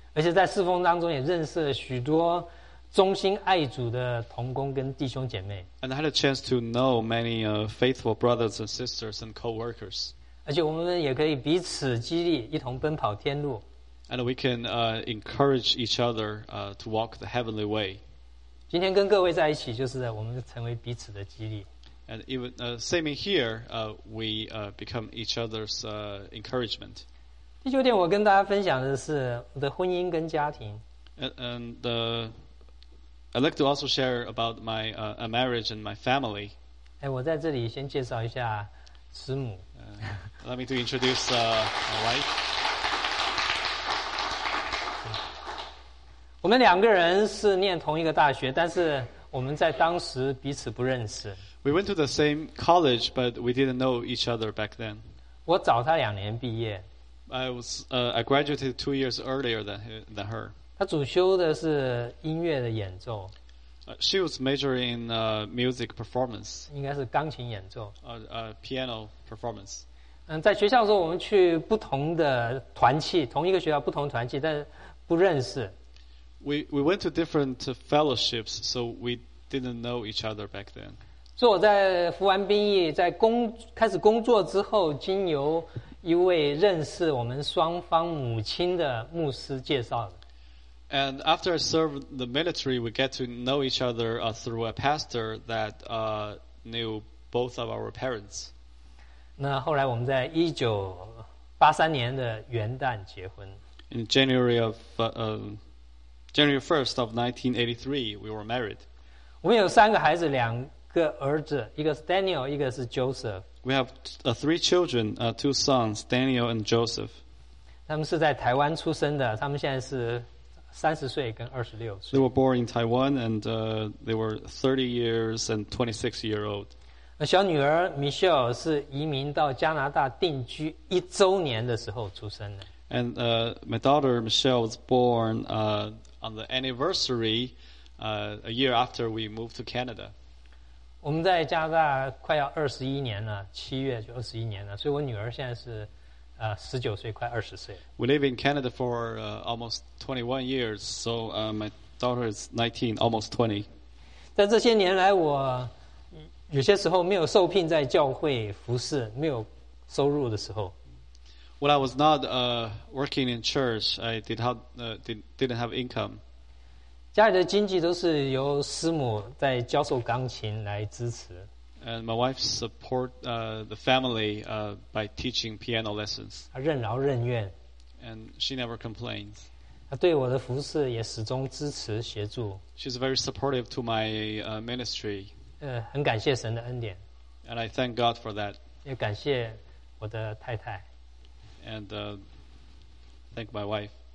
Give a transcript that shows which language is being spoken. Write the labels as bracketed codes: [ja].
[zh] 而且在侍奉当中也认识了许多忠心爱主的同工跟弟兄姐妹。 [en] And I had a chance to know many faithful brothers and sisters and co-workers. [zh] 而且我们也可以彼此激励，一同奔跑天路。 [en] And we can encourage each other to walk the heavenly way. [zh] 今天跟各位在一起，就是我们成为彼此的激励。 [en] And even sitting here, we become each other's encouragement. [zh] 第九点，我跟大家分享的是我的婚姻跟家庭。 [en] And I'd like to also share about my marriage and my family. [zh] 哎，我在这里先介绍一下慈母。 [en] Let me to introduce my wife. [zh] 我们两个人是念同一个大学，但是我们在当时彼此不认识。 [en] We went to the same college, but we didn't know each other back then. [zh] 我早他两年毕业。 [en] I graduated 2 years earlier than her. [zh] 他主修的是音乐的演奏。 [en] She was majoring in music performance. [zh] 应该是钢琴演奏。 [en] Piano performance. [zh] 在学校的时候，我们去不同的团契，同一个学校不同团契，但不认识。 [en] We went to different fellowships, so we didn't know each other back then. [zh] 所以我在服完兵役，在开始工作之后，经由一位认识我们双方母亲的牧师介绍的。 [en] And after I served the military, we get to know each other through a pastor that knew both of our parents. [zh] 那后来我们在1983年的元旦结婚。 [en] In January of January 1st of 1983, we were married. [zh] 我们有三个孩子，两个儿子，一个是 Daniel， 一个是 Joseph。 [en] We have three children, two sons, Daniel and Joseph. [zh] 他们是在台湾出生的，他们现在是30岁跟26岁。 [en] They were born in Taiwan and they were 30 years and 26 year old. [zh] 小女儿 Michelle 是移民到加拿大定居一周年的时候出生的。 [en] And my daughter Michelle was born on the anniversary, a year after we moved to Canada. [zh] 我们在加拿大快要21年了，七月就21年了，所以我女儿现在是19岁，快20岁。 [en] We live in Canada for almost 21 years, so my daughter is 19, almost 20. [zh] 在这些年来，我有些时候没有受聘在教会服事，没有收入的时候。 [en] When I was not working in church, I didn't have income. [zh] 家里的经济都是由师母在教授钢琴来支持。 [en] And my wife support the family by teaching piano lessons. [zh] 她任劳任怨。 [en] And she never complains. [zh] 她对我的服事也始终支持协助。 [en] She's very supportive to my ministry. [zh] 很感谢神的恩典。 [en] And I thank God for that. [zh] 也感谢我的太太。 [en] and thank my wife.